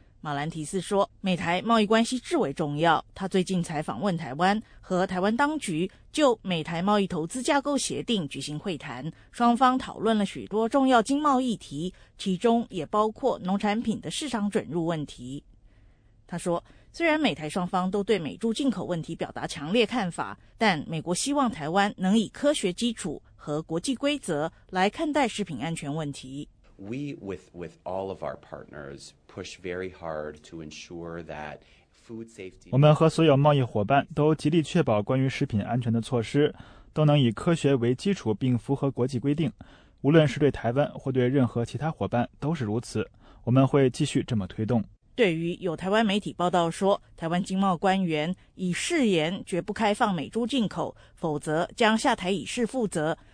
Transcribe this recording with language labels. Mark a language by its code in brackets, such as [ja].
[zh] 马兰提斯说，美台贸易关系至为重要，他最近才访问台湾，和台湾当局就美台贸易投资架构协定举行会谈，双方讨论了许多重要经贸议题，其中也包括农产品的市场准入问题。他说，虽然美台双方都对美猪进口问题表达强烈看法，但美国希望台湾能以科学基础和国际规则来看待食品安全问题。 [en] We with all of our partners push very hard to ensure that food safety. [zh] 我们和所有贸易伙伴都极力确保关于食品安全的措施都能以科学为基础并符合国际规定，无论是对台湾或对任何其他伙伴都是如此。我们会继续这么推动。对于有台湾媒体报道说台湾经贸官员以誓言绝不开放美猪进口，否则将下台以示负责，